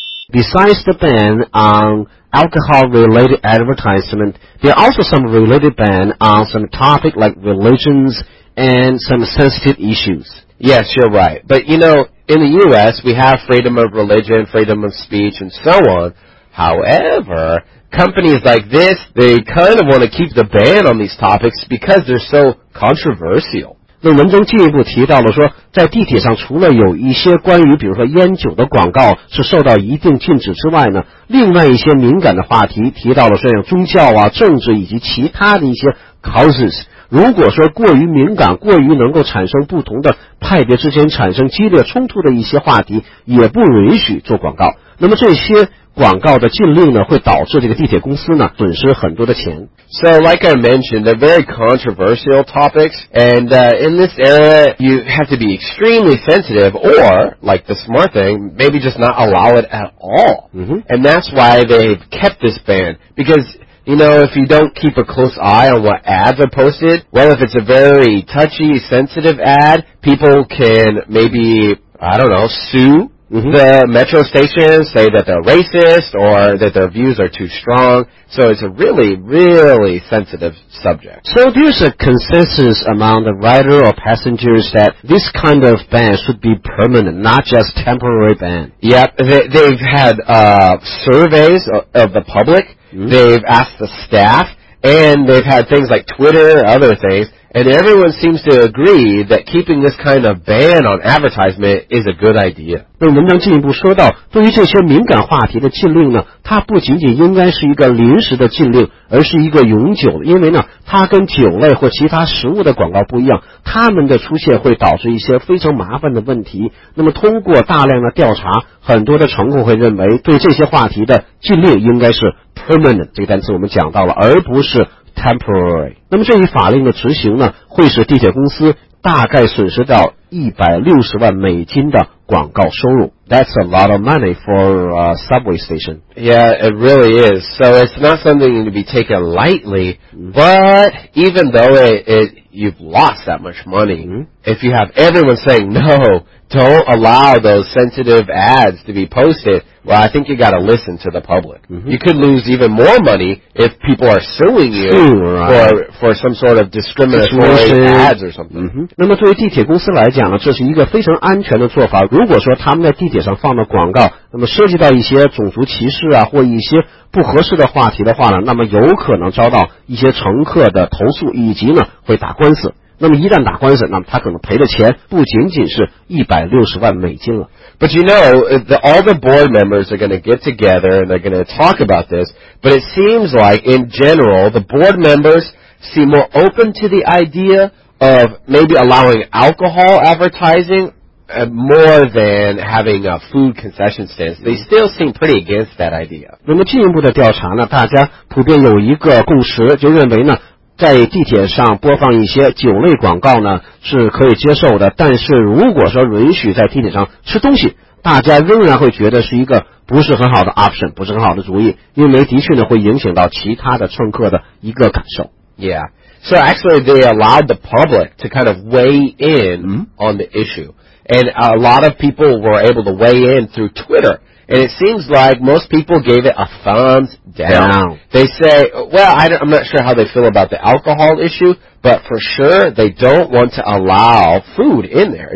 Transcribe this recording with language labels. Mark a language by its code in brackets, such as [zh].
[en] Besides the ban on alcohol-related advertisement, there are also some related ban on some topic like religions and some sensitive issues. Yes, you're right. But, you know, in the U.S., we have freedom of religion, freedom of speech, and so on. However, companies like this, they kind of want to keep the ban on these topics because they're so controversial. [zh] 那文中进一步提到了说在地铁上除了有一些关于比如说烟酒的广告是受到一定禁止之外呢另外一些敏感的话题提到了像宗教啊政治以及其他的一些 causes 如果说过于敏感过于能够产生不同的派别之间产生激烈冲突的一些话题也不允许做广告那么这些广告的禁令呢会导致这个地铁公司呢损失很多的钱 [en] So like I mentioned, they're very controversial topics and in this era you have to be extremely sensitive or like the smart thing, maybe just not allow it at all、 mm-hmm. and that's why they've kept this ban because you know, if you don't keep a close eye on what ads are posted well if it's a very touchy, sensitive ad people can maybe, I don't know, sueth Mm-hmm. The metro stations say that they're racist or that their views are too strong. So it's a really, really sensitive subject. So there's a consensus among the rider or passengers that this kind of ban should be permanent, not just temporary ban. Yep, they've had surveys of the public. Mm-hmm. They've asked the staff and they've had things like Twitter and other things. And everyone seems to agree that keeping this kind of ban on advertisement is a good idea. [zh] 那文章进一步说到，对于这些敏感话题的禁令呢，它不仅仅应该是一个临时的禁令，而是一个永久的，因为呢，它跟酒类或其他食物的广告不一样，它们的出现会导致一些非常麻烦的问题。那么通过大量的调查，很多的乘客会认为对这些话题的禁令应该是 permanent， 这个单词我们讲到了，而不是temporary。那么这一法令的执行呢，会使地铁公司大概损失到$1,600,000的广告收入。 [en] That's a lot of money for a subway station. Yeah, it really is. So it's not something to be taken lightly, but even though you've lost that much money, if you have everyone saying no, don't allow those sensitive ads to be posted, well, I think you got to listen to the public. You could lose even more money if people are suing you for some sort of discriminatory ads or something. [zh] 那么对于地铁公司来讲呢，这是一个非常安全的做法。如果说他们在地铁上放的广告，那么涉及到一些种族歧视啊，或一些不合适的话题的话呢，那么有可能遭到一些乘客的投诉，以及呢会打官司。那么一旦打官司，那么他可能赔的钱不仅仅是$1,600,000了。 [en] But you know, all the board members are going to get together and they're going to talk about this. But it seems like in general, the board members seem more open to the idea of maybe allowing alcohol advertising more than having a food concession stands. They still seem pretty against that idea. [zh] 那么进一步的调查呢，大家普遍有一个共识，就认为呢，在地铁上播放一些酒类广告呢是可以接受的，但是如果说允许在地铁上吃东西，大家仍然会觉得是一个不是很好的 option， 不是很好的主意，因为的确呢会影响到其他的乘客的一个感受。 [en] Yeah, so actually they allowed the public to kind of weigh in on the issue, and a lot of people were able to weigh in through Twitter. And it seems like most people gave it a thumbs down. They say, well, I'm not sure how they feel about the alcohol issue, but for sure they don't want to allow food in there.